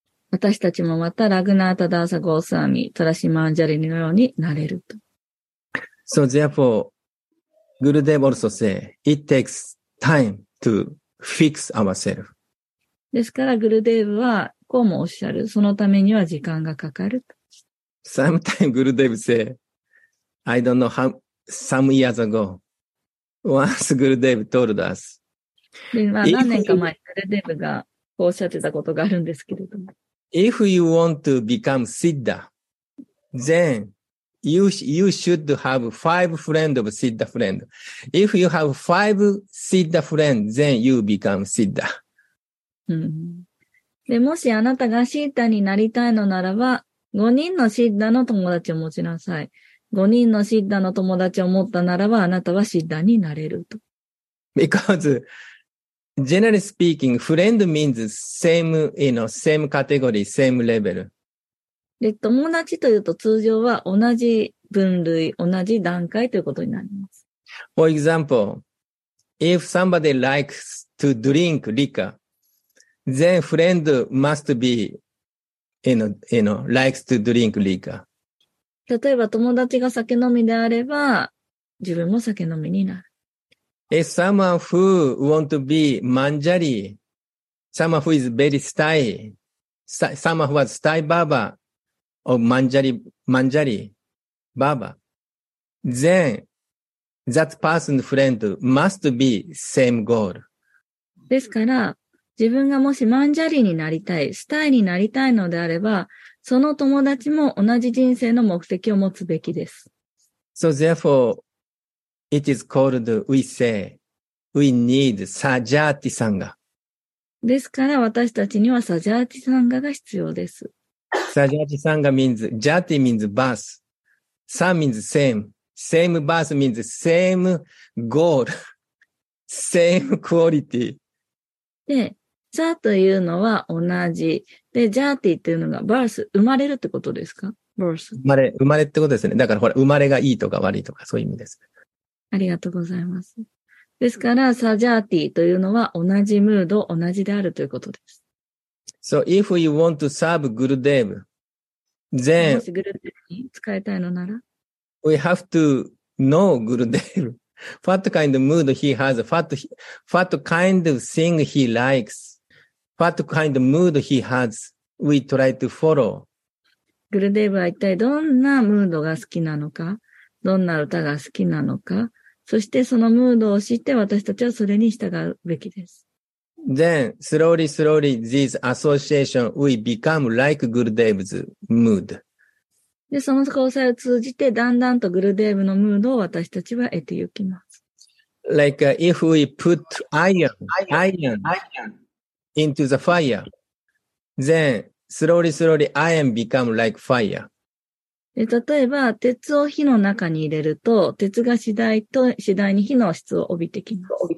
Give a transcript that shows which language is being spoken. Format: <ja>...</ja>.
<ja>私たちもまたラグナータダーサゴースワミ、トラシマンジャリのようになれると。</ja> <en>So therefore, Gurudev also say, it takes time to fix ourselves.</en> <ja>ですから、グルデーブはこうもおっしゃる。そのためには時間がかかると。</ja> <en>Sometimes Gurudev say, I don't know how, some years ago,Once Gurudev told us.</en> <ja>で、まあ、何年か前、Gurudev がこうおっしゃってたことがあるんですけれども。</ja> <en>If you want to become Siddha, then you should have five friends of Siddha friend. If you have five Siddha friend, then you become Siddha.</en> <ja>で、もしあなたが Siddha になりたいのならば、5人の Siddha の友達を持ちなさい。 5人のシッダの友達を持ったならば、あなたはシッダになれると。</ja> <en>Because, generally speaking, friend means same, you know, same category, same level.</en> <ja>で、友達というと通常は同じ分類、同じ段階ということになります。</ja> <en>For example, if somebody likes to drink liquor, then friend must be, you know, likes to drink liquor.</en> <ja>例えば友達が酒飲みであれば、自分も酒飲みになる。</ja> <en>If someone who want to be manjari, someone who is very stay, someone who was stay baba or manjari baba, then that person friend must be same goal.</en> <ja>ですから、自分がもしマンジャリになりたい、スタイになりたいのであれば、その友達も同じ人生の目的を持つべきです。</ja> <en>So therefore, it is called, we say, we need サジャーティサンガ。</en> <ja>ですから、私たちにはサジャーティサンガが必要です。</ja> <en>サジャーティサンガ means, ジャーティ means birth. サ means same. Same birth means same goal. Same quality.</en> <ja>で、ザというのは同じ。で、ジャーティっていうのがバース、生まれるってことですか？バース。生まれってことですね。だからほら、生まれがいいとか悪いとか、そういう意味です。ありがとうございます。ですから、サジャーティというのは同じムード、同じであるということです。</ja> <en>So, if you want to serve Gurudev, then,</en> <ja>もしグルデーブに使いたいのなら、</ja> <en>we have to know Gurudev. What kind of mood he has, what kind of thing he likes, what kind of mood he has, we try to follow.</en> <ja>グルデーブは一体どんなムードが好きなのか、どんな歌が好きなのか、そしてそのムードを知って私たちはそれに従うべきです。</ja> <en>Then, slowly, slowly, this association, we become like Gurudev's mood.</en> <ja>で、その交際を通じて、だんだんとグルデーブのムードを私たちは得てゆきます。</ja> <en>Like, if we put iron into the fire, then slowly, slowly, iron become like fire.</en> <ja>で、例えば、鉄を火の中に入れると、鉄が次第に火の質を帯びてきます。</ja>